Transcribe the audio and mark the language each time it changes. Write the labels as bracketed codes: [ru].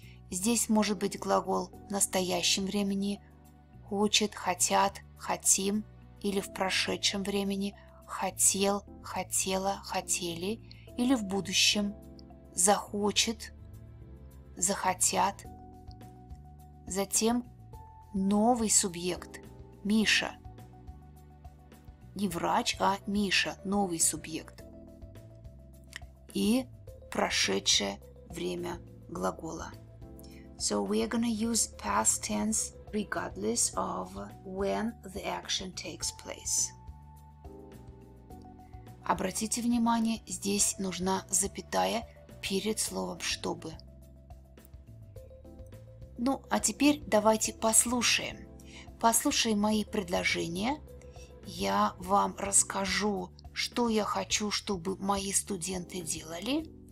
[ru] Здесь может быть глагол в настоящем времени «хочет», «хотят», «хотим» или в прошедшем времени «хотел», «хотела», «хотели» или в будущем «захочет», «захотят». Затем новый субъект – Миша. Не врач, а Миша – новый субъект. И прошедшее время глагола. [en] So we are going to use past tense regardless of when the action takes place. [ru] Обратите внимание, здесь нужна запятая перед словом «чтобы». Ну, а теперь давайте послушаем. Послушаем мои предложения. Я вам расскажу, что я хочу, чтобы мои студенты делали.